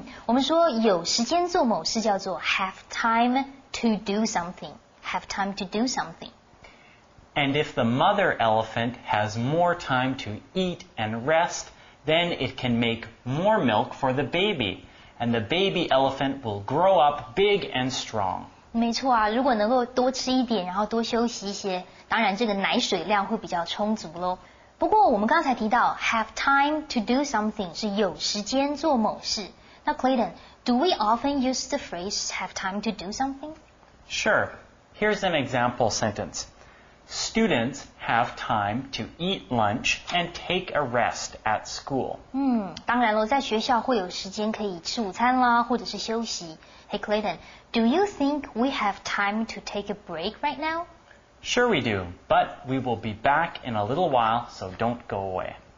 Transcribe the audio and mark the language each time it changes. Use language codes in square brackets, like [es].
[zh] 我们说有时间做某事叫做 [en] have time to do something. Have time to do something. And if the mother elephant has more time to eat and rest, then it can make more milk for the baby. And the baby elephant will grow up big and strong. [zh] 没错啊，如果能够多吃一点，然后多休息一些，当然这个奶水量会比较充足咯。不过我们刚才提到 [en] have time to do something [zh] 是有时间做某事。 [en] 那 Clayton, do we often use the phrase have time to do something? Sure. Here's an example sentence. Students have time to eat lunch and take a rest at school. [zh] 当然咯，在学校会有时间可以吃午餐啦，或者是休息。 [en] Hey Clayton,Do you think we have time to take a break right now? Sure we do, but we will be back in a little while, so don't go away.